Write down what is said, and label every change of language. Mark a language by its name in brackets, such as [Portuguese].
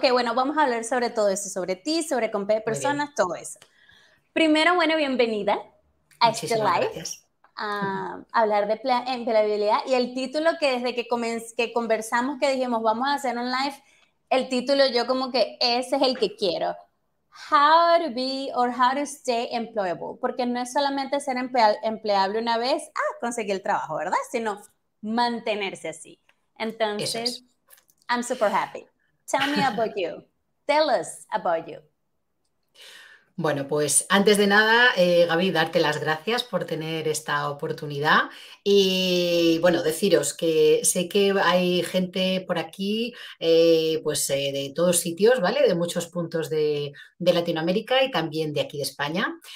[Spanish] Ok, bueno, vamos a hablar sobre todo eso, sobre ti, sobre con P de personas, todo eso. Primero, bueno, bienvenida a este live. Muchísimas gracias. Hablar de empleabilidad y el título que desde que conversamos, que dijimos vamos a hacer un live, el título yo como que ese es el que quiero. [English] How to be or how to stay employable. [Spanish] Porque no es solamente ser empleable una vez, conseguir el trabajo, ¿verdad? Sino mantenerse así. [English] Entonces, I'm super happy. Tell me about you. Tell us about you. [Spanish] Bueno, pues antes de nada, Gaby, darte las gracias por tener esta oportunidad y, bueno, deciros que sé que hay gente por aquí, de todos sitios, ¿vale? De muchos puntos de Latinoamérica y también de aquí de España.